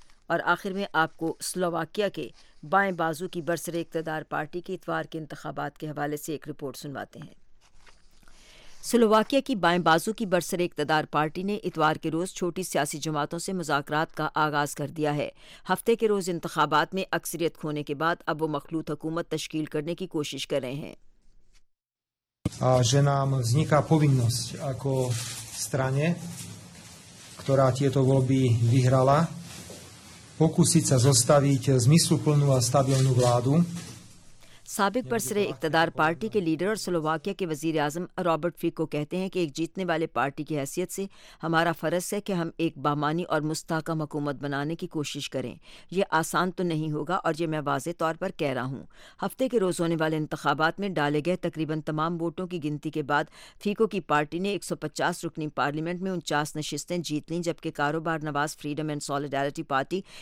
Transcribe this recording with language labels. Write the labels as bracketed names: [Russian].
[Urdu] اور آخر میں آپ کو سلوواکیہ کے بائیں بازو کی برسر اقتدار پارٹی کے اتوار کے انتخابات کے حوالے سے ایک رپورٹ سنواتے ہیں۔ سلوواکیہ کی بائیں بازو کی برسر اقتدار پارٹی نے اتوار کے روز چھوٹی سیاسی جماعتوں سے مذاکرات کا آغاز کر دیا ہے۔ ہفتے کے روز انتخابات میں اکثریت کھونے کے بعد اب وہ مخلوط حکومت تشکیل کرنے کی کوشش کر رہے ہیں۔ [Slovak] že nám vzniká povinnosť ako strane, ktorá tieto voľby vyhrala, pokúsiť sa zostaviť zmysluplnú a stabilnú vládu. [Urdu] سابق برسر اقتدار پارٹی کے لیڈر اور سلوواکیہ کے وزیر اعظم رابرٹ فیکو کہتے ہیں کہ ایک جیتنے والے پارٹی کی حیثیت سے ہمارا فرض ہے کہ ہم ایک بامانی اور مستحکم حکومت بنانے کی کوشش کریں۔ یہ آسان تو نہیں ہوگا اور یہ میں واضح طور پر کہہ رہا ہوں۔ ہفتے کے روز ہونے والے انتخابات میں ڈالے گئے تقریباً تمام ووٹوں کی گنتی کے بعد فیکو کی پارٹی نے 150 رکنی پارلیمنٹ میں 49 نشستیں جیت لیں، جبکہ کاروبار نواز فریڈم اینڈ سالیڈیرٹی پارٹی